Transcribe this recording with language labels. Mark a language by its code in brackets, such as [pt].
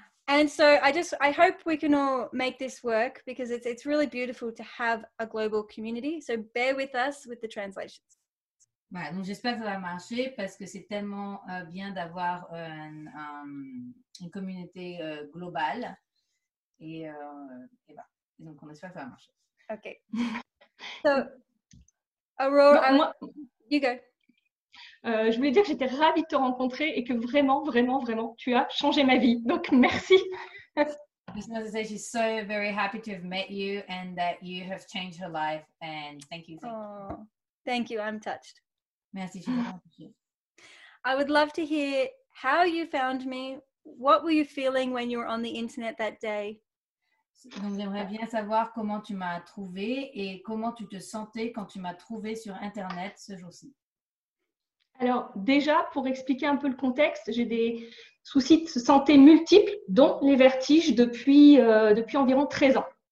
[en] And so I hope we can all make this work because it's really beautiful to have a global community. So bear with us with the translations. [fr] Voilà, donc j'espère que ça va marcher parce que c'est tellement bien d'avoir une communauté globale. Et voilà. Donc, on espère que ça va marcher. [en] OK. So, Aurore, non, you go. [fr] Je voulais dire que j'étais ravie de te rencontrer et que vraiment, vraiment, vraiment, tu as changé ma vie. Donc, merci. [en] Just wanted to say she's so very happy to have met you and that you have changed her life. And thank you. Thank you. I'm touched. [fr] Merci. Je [en] I would love to hear how you found me. What were you feeling when you were on the internet that day? [fr] Donc, j'aimerais bien savoir comment tu m'as trouvé et comment tu te sentais quand tu m'as trouvé sur Internet ce jour-ci. Alors, déjà, pour expliquer un peu le contexte, j'ai des soucis de santé multiples, dont les vertiges, depuis environ 13 ans.